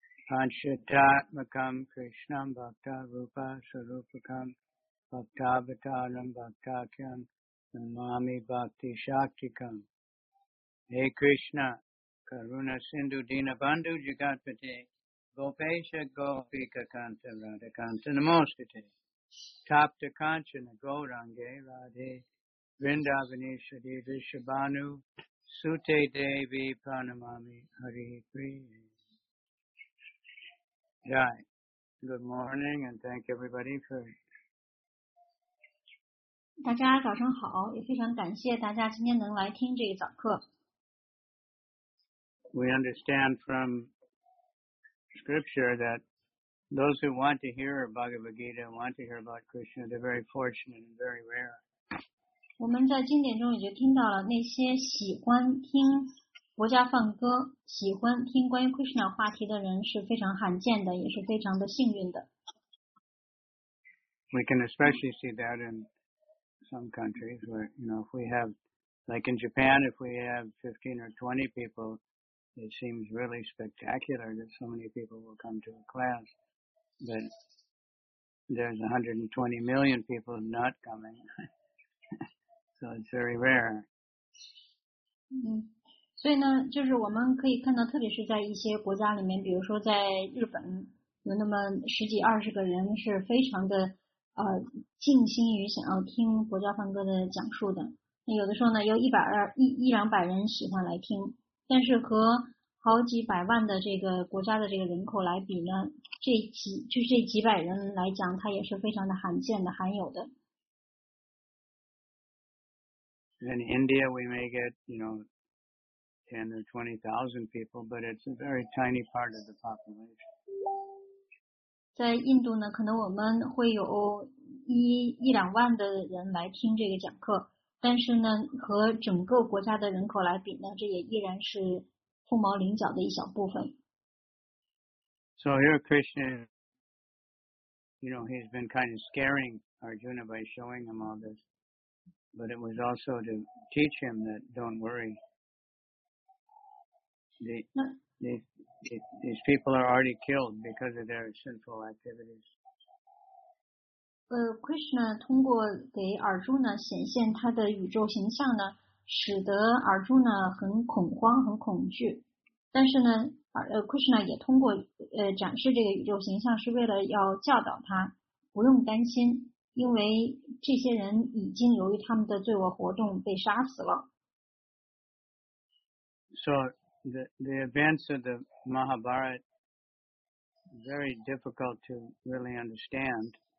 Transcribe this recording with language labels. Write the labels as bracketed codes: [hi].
[sa] Panchatatmakam Krishnam Bhakta Rupa Sarupakam Bhaktavataram Bhaktakyam Namami Bhakti Shaktikam Hey Krishna Karuna Sindhu Dina Bandhu Jagatpate Gopesha Gopika Kanta Radhakanta Namostate Tapta Kanchana Gorange Radhe Vrindavanesha Deva Shabanu Sute Devi Pranamami Hari Priya. [en] Jai. Good morning and thank everybody for. [zh] 大家早上好，也非常感谢大家今天能来听这个早课。 [en] We understand from scripture that those who want to hear Bhagavad Gita, want to hear about Krishna, they're very fortunate and very rare. [zh] 我们在经典中也就听到了那些喜欢听国家放歌、喜欢听关于 Krishna 话题的人是非常罕见的，也是非常的幸运的。 [en] We can especially see that in some countries where, you know, if we have, like in Japan, if we have 15 or 20 people, it seems really spectacular that so many people will come to a class. But there's 120 million people not coming. So it's very rare. [zh] 所以呢，就是我们可以看到，特别是在一些国家里面，比如说在日本，有那么十几二十个人是非常的尽心于想要听国家放歌的讲述的。有的时候呢，有一两百人喜欢来听，但是和好几百万的这个国家的这个人口来比呢，这几百人来讲，它也是非常的罕见的、罕有的。 [en] In India, we may get, you know, 10 or 20,000 people, but it's a very tiny part of the population. [zh] 在印度呢，可能我们会有一两万的人来听这个讲课，但是呢，和整个国家的人口来比呢，这也依然是凤毛麟角的一小部分。 [en] So here Krishna, you know, he's been kind of scaring Arjuna by showing him all this. But it was also to teach him that don't worry. These people are already killed because of their sinful activities. [zh] Krishna 通过给 Arjuna 显现他的宇宙形象呢，使得 Arjuna 很恐慌、很恐惧。但是呢，Krishna 也通过展示这个宇宙形象，是为了要教导他不用担心。因为这些人已经由于他们的罪恶活动被杀死了。 [en] So the events of the Mahabharata very difficult to really understand.